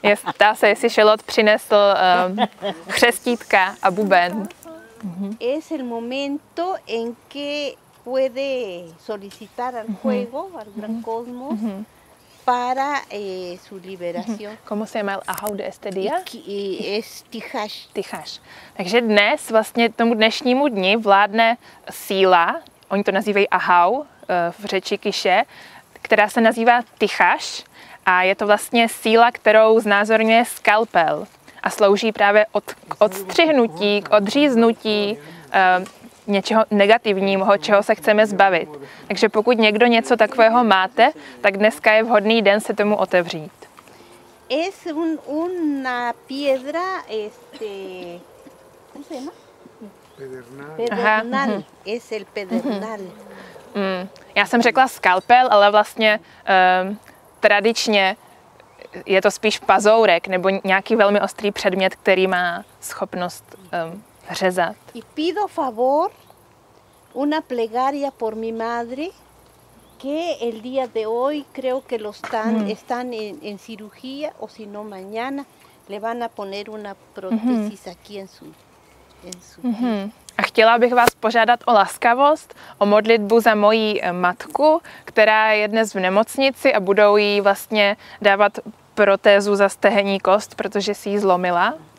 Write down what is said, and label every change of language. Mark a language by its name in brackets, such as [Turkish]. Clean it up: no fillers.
[Czech] Ptá se, jestli Šelot přinesl chřestítka a buben. [Spanish] Es el momento en que puede solicitar al juego, al gran cosmos, para su liberación. ¿Cómo se llama el Ajau de este día? Es Tichaš. Tichaš. [Czech] Takže dnes, vlastně tomu dnešnímu dni, vládne síla, oni to nazývají Ajau v řeči Kiše, která se nazývá Tichaš a je to vlastně síla, kterou znázorňuje skalpel a slouží právě k odstřihnutí, k odříznutí něčeho negativního, čeho se chceme zbavit. Takže pokud někdo něco takového máte, tak dneska je vhodný den se tomu otevřít. [Spanish] Es una piedra este ¿cómo se llama? Pedernal. Es el pedernal. [Czech] Já jsem řekla skalpel, ale vlastně tradičně je to spíš pazourek nebo nějaký velmi ostrý předmět, který má schopnost řezat. [Spanish] Y pido favor una plegaria por mi madre que el día de hoy creo que lo están en cirugía o si no mañana le van a poner una prótesis aquí en su [Czech] A chtěla bych vás požádat o laskavost, o modlitbu za moji matku, která je dnes v nemocnici a budou jí vlastně dávat protézu za stehenní kost, protože si ji zlomila.